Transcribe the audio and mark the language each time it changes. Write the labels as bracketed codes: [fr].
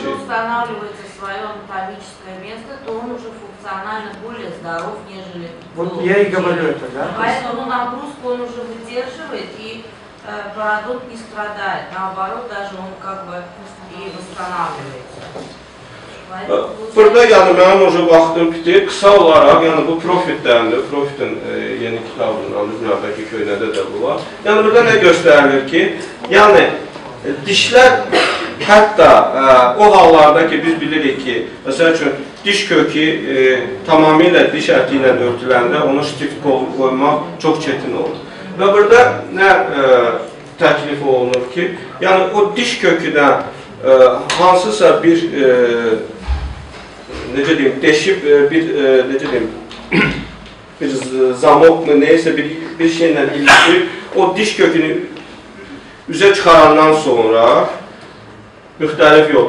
[ru] Если он устанавливается в своё анатомическое место, то он уже функционально более здоров, нежели вот я и говорю это, да? Поэтому нагрузку он уже выдерживает и продукт не страдает. Наоборот, даже он как бы и восстанавливается. [az] Burada yəni mənim o vaxtım bitir. Qısa olaraq, yəni bu Profitdəndir. Profitin yeni kitabından, dünyadakı köynədə də bu var. Yəni burada nə göstərilir ki, yəni dişlər hətta o hallarda ki, biz bilirik ki, məsəl üçün diş kökü tamamilə diş əti ilə örtüləndə onu stift qoymaq çox çətin olur. Və burada nə təklif olunur ki, yəni o diş kökünə hansısa bir necə deyim, deşib bir necə deyim, bir zamok mu neyse bir şeyle ilgili o diş kökünü üze çıkarandan sonra müxtəlif yol.